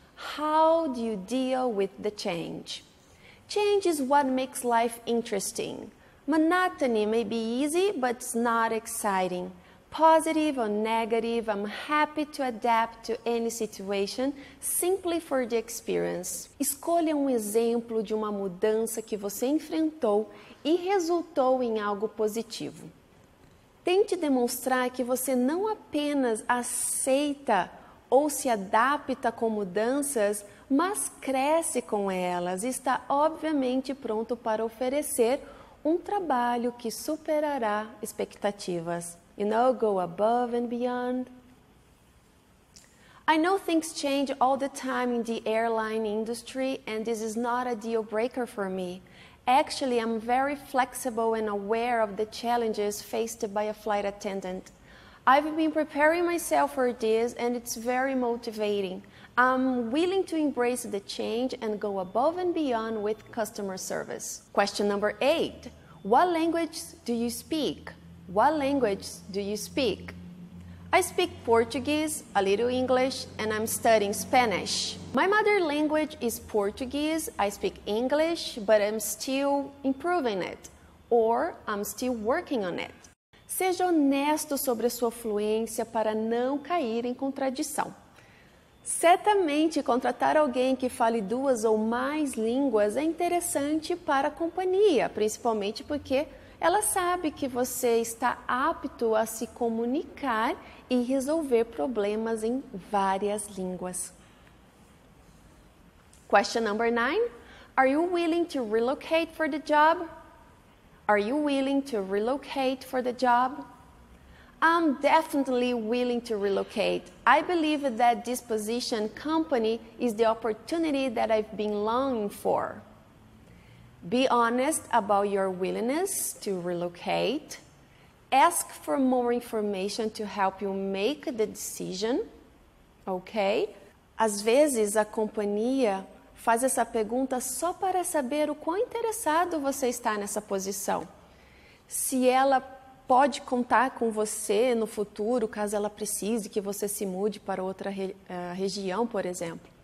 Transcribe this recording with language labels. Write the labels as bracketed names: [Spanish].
[English] How do you deal with the change? Change is what makes life interesting. Monotony may be easy, but it's not exciting. Positive or negative, I'm happy to adapt to any situation simply for the experience. [Portuguese] Escolha um exemplo de uma mudança que você enfrentou e resultou em algo positivo. Tente demonstrar que você não apenas aceita ou se adapta com mudanças, mas cresce com elas e está obviamente pronto para oferecer um trabalho que superará expectativas. [English] You know, go above and beyond. I know things change all the time in the airline industry, and this is not a deal breaker for me. Actually, I'm very flexible and aware of the challenges faced by a flight attendant. I've been preparing myself for this, and it's very motivating. I'm willing to embrace the change and go above and beyond with customer service. Question number 8. What language do you speak? What language do you speak? I speak Portuguese, a little English, and I'm studying Spanish. My mother language is Portuguese. I speak English, but I'm still improving it, or I'm still working on it. [Portuguese] Seja honesto sobre a sua fluência para não cair em contradição. Certamente, contratar alguém que fale duas ou mais línguas é interessante para a companhia, principalmente porque ela sabe que você está apto a se comunicar e resolver problemas em várias línguas. [English] Question number 9. Are you willing to relocate for the job? Are you willing to relocate for the job? I'm definitely willing to relocate. I believe that this position company is the opportunity that I've been longing for. Be honest about your willingness to relocate. Ask for more information to help you make the decision. Okay? [Portuguese] Às vezes a companhia faz essa pergunta só para saber o quão interessado você está nessa posição. Se ela pode contar com você no futuro, caso ela precise que você se mude para outra região, por exemplo.